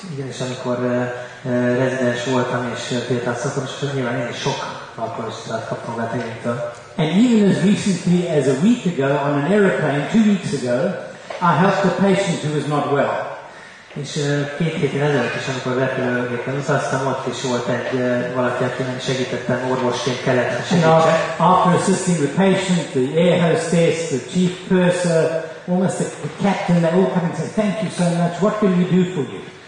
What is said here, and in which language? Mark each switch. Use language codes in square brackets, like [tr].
[hu] Igen, és amikor rezidens voltam és példátszottam, és nyilván én sok alkoholistát kaptam betegeinktől. [en] And even as recently as a week ago, on an aeroplane, 2 weeks ago, I helped a patient who was not well. [hu] És két héten ezelőtt is, amikor repülőgépen utaztam, ott is volt egy valaki, akinek segítettem orvosként kellett segítsen. [en] After assisting the patient, the air hostess, the chief purser, almost the captain, they all come and say, thank you so much, what can we do for you?